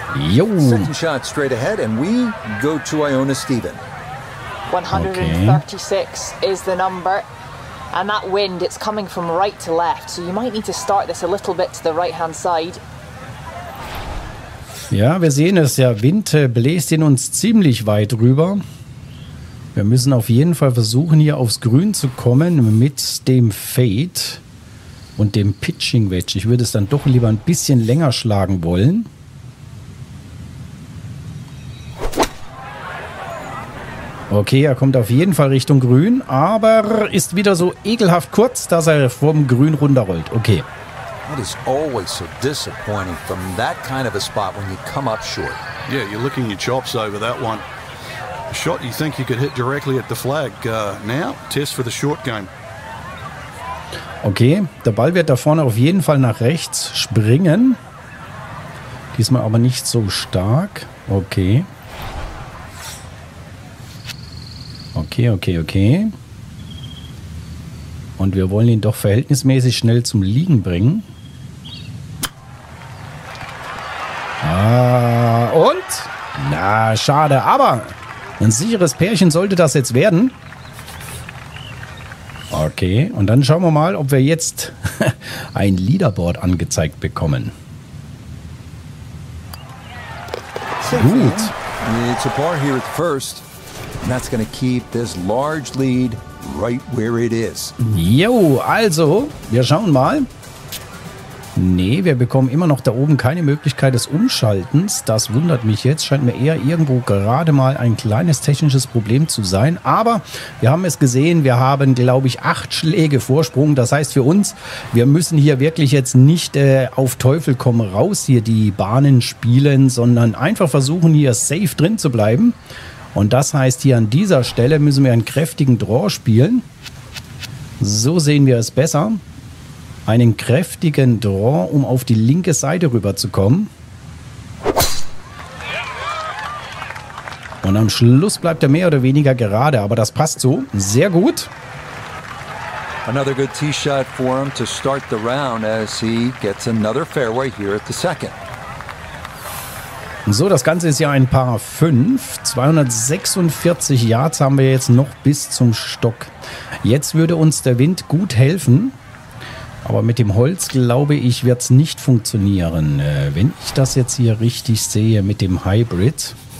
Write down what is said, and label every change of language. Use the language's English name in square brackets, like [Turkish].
[German] Jo. [English] Second shot straight ahead and we go to Iona Stephen. 136 okay. Is the number. And that wind, it's coming from right to left. So you might need to start this a little bit to the right-hand side. [German] Ja, wir sehen es. Der Wind bläst in uns ziemlich weit rüber. Wir müssen auf jeden Fall versuchen, hier aufs Grün zu kommen mit dem Fade und dem Pitching-Wedge. Ich würde es dann doch lieber ein bisschen länger schlagen wollen. Okay, er kommt auf jeden Fall Richtung Grün, aber ist wieder so ekelhaft kurz, dass er vom Grün runterrollt. Okay. [English] That is always so disappointing from that kind of a spot when you come up short. Yeah, you're licking your chops over that one. A shot you think you could hit directly at the flag. Now, test for the short game. [German] Okay, der Ball wird da vorne auf jeden Fall nach rechts springen. Diesmal aber nicht so stark. Okay. Okay, okay, okay. Und wir wollen ihn doch verhältnismäßig schnell zum Liegen bringen. Ah, und? Na, schade, aber ein sicheres Pärchen sollte das jetzt werden. Okay, und dann schauen wir mal, ob wir jetzt ein Leaderboard angezeigt bekommen. Gut. [English] It's a par here at first. And that's going to keep this large lead right where it is. [German] Jo, also, wir schauen mal. Nee, wir bekommen immer noch da oben keine Möglichkeit des Umschaltens. Das wundert mich jetzt. Scheint mir eher irgendwo gerade mal ein kleines technisches Problem zu sein. Aber wir haben es gesehen. Wir haben, glaube ich, 8 Schläge Vorsprung. Das heißt für uns, wir müssen hier wirklich jetzt nicht auf Teufel komm raus hier die Bahnen spielen, sondern einfach versuchen, hier safe drin zu bleiben. Und das heißt, hier an dieser Stelle müssen wir einen kräftigen Draw spielen. So sehen wir es besser. Einen kräftigen Draw, um auf die linke Seite rüberzukommen. Und am Schluss bleibt er mehr oder weniger gerade, aber das passt so. Sehr gut. [English] Another good tee shot for him to start the round as he gets another fairway here at the second. [German] So, das Ganze ist ja ein Par 5. 246 Yards haben wir jetzt noch bis zum Stock. Jetzt würde uns der Wind gut helfen. Aber mit dem Holz, glaube ich, wird es nicht funktionieren. Wenn ich das jetzt hier richtig sehe mit dem Hybrid.